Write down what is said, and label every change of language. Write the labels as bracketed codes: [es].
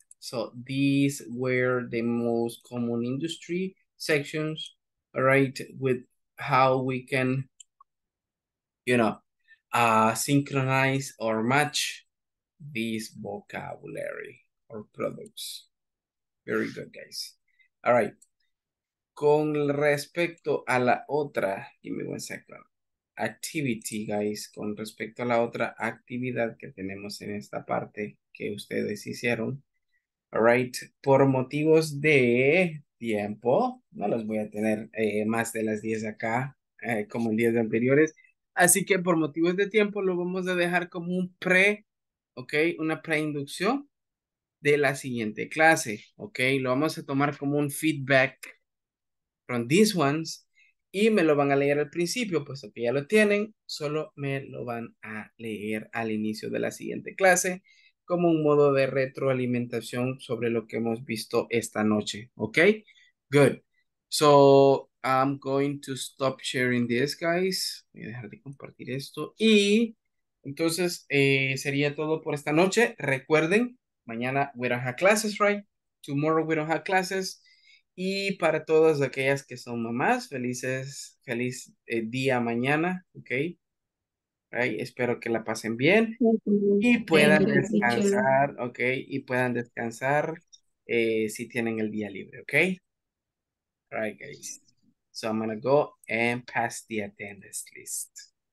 [en] So these were the most common industry sections, right, with how we can, you know, synchronize or match this vocabulary or products. Very good, guys. All right. [es] Con respecto a la otra, [en] give me 1 second. Activity, guys, [es] con respecto a la otra actividad que tenemos en esta parte que ustedes hicieron. [en] All right. [es] Por motivos de tiempo, no los voy a tener más de las 10 acá, como en días anteriores. Así que por motivos de tiempo lo vamos a dejar como un pre, ok, una preinducción de la siguiente clase, ok. Lo vamos a tomar como un feedback [en] from these ones [es] y me lo van a leer al principio, puesto que ya lo tienen, solo me lo van a leer al inicio de la siguiente clase como un modo de retroalimentación sobre lo que hemos visto esta noche, ok. [en] Good. So I'm going to stop sharing this, guys. [es] Voy a dejar de compartir esto. Y entonces sería todo por esta noche. Recuerden, mañana [en] we don't have classes, right? Tomorrow we don't have classes. [es] Y para todas aquellas que son mamás, feliz día mañana, ¿ok? Right? Espero que la pasen bien y puedan descansar, ¿ok? Y puedan descansar si tienen el día libre, ¿ok? [en] All right, guys. So I'm going to go and pass the attendance list.